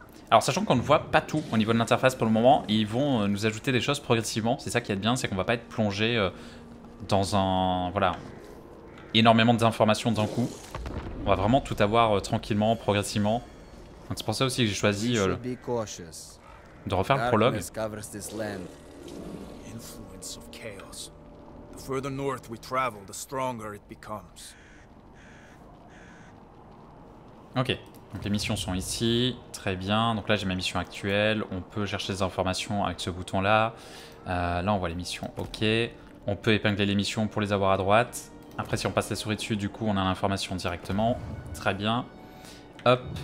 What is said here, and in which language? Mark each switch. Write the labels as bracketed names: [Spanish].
[French] Alors sachant qu'on ne voit pas tout au niveau de l'interface pour le moment, ils vont nous ajouter des choses progressivement. C'est ça qui est bien, c'est qu'on va pas être plongé dans un voilà énormément d'informations d'un coup. On va vraiment tout avoir tranquillement, progressivement. Donc c'est pour ça aussi que j'ai choisi de refaire le prologue. [English] Covers this land. Influence of chaos. The further north we travel, the stronger it becomes. OK. [French] Donc les missions sont ici, très bien. Donc là j'ai ma mission actuelle, on peut chercher des informations avec ce bouton là. Là on voit les missions, ok. On peut épingler les missions pour les avoir à droite. Après si on passe la souris dessus du coup on a l'information directement. Très bien. Hop.